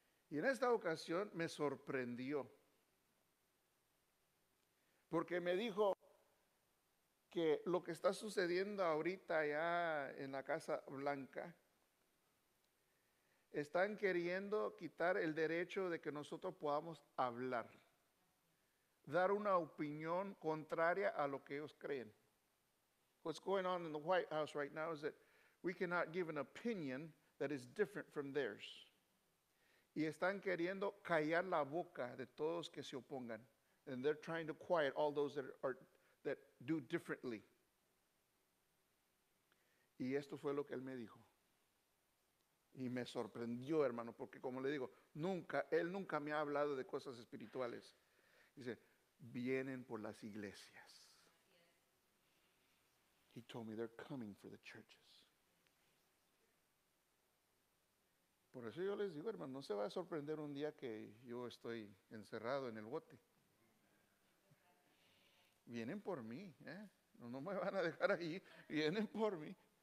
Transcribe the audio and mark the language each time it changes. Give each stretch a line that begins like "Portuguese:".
Spanish: Y en esta ocasión me sorprendió, porque me dijo que lo que está sucediendo ahorita allá en la Casa Blanca, están queriendo quitar el derecho de que nosotros podamos hablar, dar una opinión contraria a lo que ellos creen.
English: What's going on in the White House right now is that we cannot give an opinion that is different from theirs.
Spanish: Y están queriendo callar la boca de todos que se opongan.
English: And they're trying to quiet all those that do differently.
Spanish: Y esto fue lo que él me dijo. Y me sorprendió, hermano, porque como le digo, él nunca me ha hablado de cosas espirituales. Dice, vienen por las iglesias.
English: He told me they're coming for the churches.
Spanish: Por eso yo les digo, hermano, no se va a sorprender un día que yo estoy encerrado en el bote. Vienen por mí, ¿eh? No, no me van a dejar ahí, vienen por mí.